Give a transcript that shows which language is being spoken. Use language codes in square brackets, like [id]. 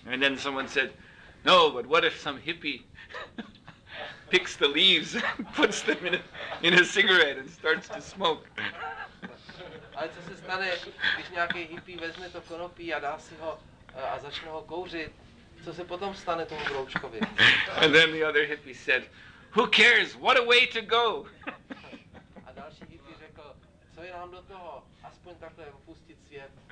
[en] And then someone said, no, but what if some hippie picks the leaves and puts them in a cigarette and starts to smoke? [cs] Ale co se stane, když nějaký hippie vezme to konopí a dá si ho a začne ho kouřit? Co se potom stane tomu broučkovi? [en] And then the other hippie said, who cares? What a way to go! [cs] A další hippie řekl, co je nám do toho? Aspoň takhle opustit svět.